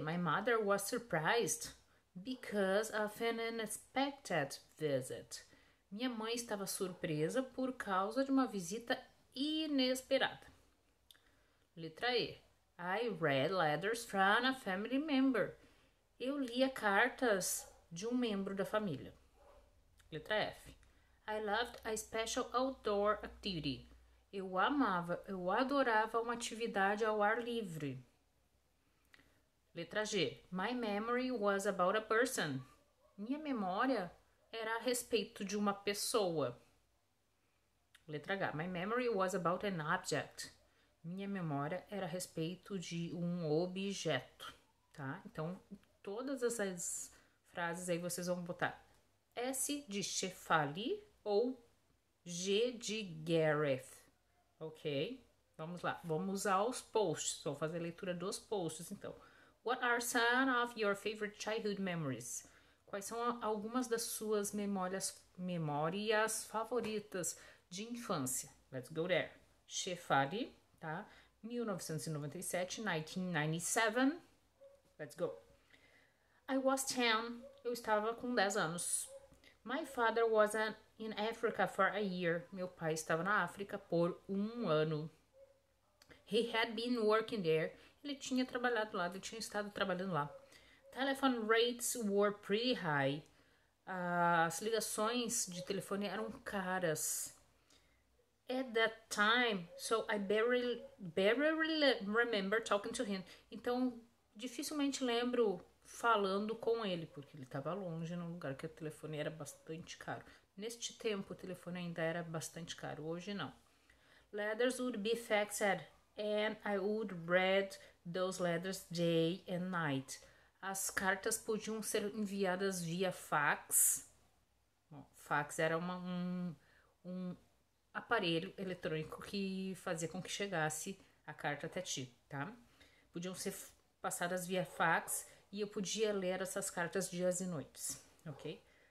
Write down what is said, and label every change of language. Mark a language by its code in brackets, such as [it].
[en] My mother was surprised because of an unexpected visit. [pt] Minha mãe estava surpresa por causa de uma visita inesperada. Letra E. [en] I read letters from a family member. [pt] Eu lia cartas de um membro da família. Letra F. [en] I loved a special outdoor activity. [pt] Eu adorava uma atividade ao ar livre. Letra G. [en] My memory was about a person. [pt] Minha memória era a respeito de uma pessoa. Letra H. [en] My memory was about an object. [pt] Minha memória era a respeito de um objeto, tá? Então, todas essas frases aí vocês vão botar S de Chevali ou G de Gareth. Ok, vamos lá. Vamos aos posts. Vou fazer a leitura dos posts, então. [en] What are some of your favorite childhood memories? [pt] Quais são algumas das suas memórias favoritas de infância? [en] Let's go there. Chevali, tá? 1997, 1997. Let's go. I was 10. [pt] Eu estava com 10 anos. [en] My father was an In Africa for a year. [pt] Meu pai estava na África por um ano. [en] He had been working there. [pt] Ele tinha trabalhado lá, ele tinha estado trabalhando lá. [en] Telephone rates were pretty high. [pt] As ligações de telefone eram caras. [en] At that time, so I barely remember talking to him. [pt] Então, dificilmente lembro falando com ele, porque ele estava longe, num lugar que o telefone era bastante caro. Neste tempo, o telefone ainda era bastante caro. Hoje, não. [en] Letters would be faxed And I would read those letters day and night. [pt] As cartas podiam ser enviadas via fax. Bom, fax era um aparelho eletrônico que fazia com que chegasse a carta até ti, tá? Podiam ser passadas via fax e eu podia ler essas cartas dias e noites, ok?